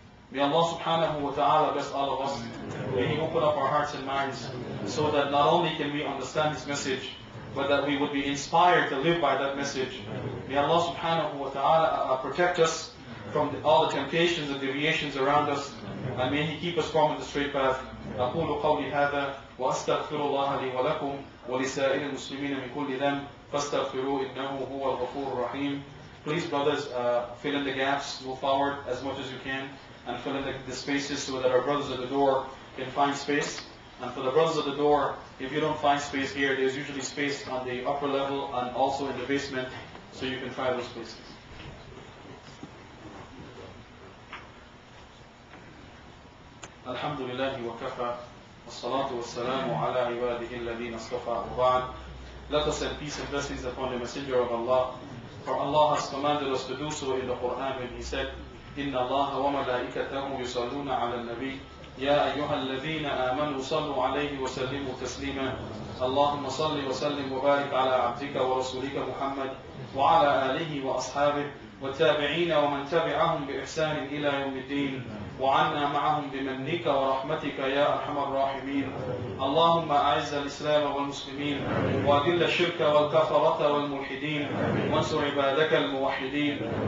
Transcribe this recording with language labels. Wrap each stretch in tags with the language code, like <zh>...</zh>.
<en>May Allah subhanahu wa ta'ala bless all of us. May He open up our hearts and minds so that not only can we understand this message, but that we would be inspired to live by that message. May Allah subhanahu wa ta'ala protect us from all the temptations and deviations around us. And may He keep us from the straight path.</en> <ar>أقول قولي هذا وأستغفر الله لي ولكم ولسائر المسلمين من كل ذنب فاستغفروا إنه هو الغفور الرحيم.</ar> <en>Please, brothers, fill in the gaps, move forward as much as you can, and fill in the spaces so that our brothers at the door can find space. And for the brothers at the door, if you don't find space here, there's usually space on the upper level and also in the basement, so you can try those places.</en> <ar>الحمد لله وكفى والصلاة والسلام على عباده الذين اصطفى وبعد.</ar> <en>Let us send peace and blessings upon the Messenger of Allah. For Allah has commanded us to do so in the Quran when He said,</en> <ar>إن الله وملائكته يصلون على النبي يا أيها الذين آمنوا صلوا عليه وسلموا تسليما. اللهم صل وسلم وبارك على عبدك ورسولك محمد وعلى آله وأصحابه والتابعين ومن تبعهم بإحسان إلى يوم الدين وعنا معهم بمنك ورحمتك يا أرحم الراحمين. اللهم أعز الإسلام والمسلمين وأذل الشرك والكفرة والملحدين وانصر عبادك الموحدين.</ar>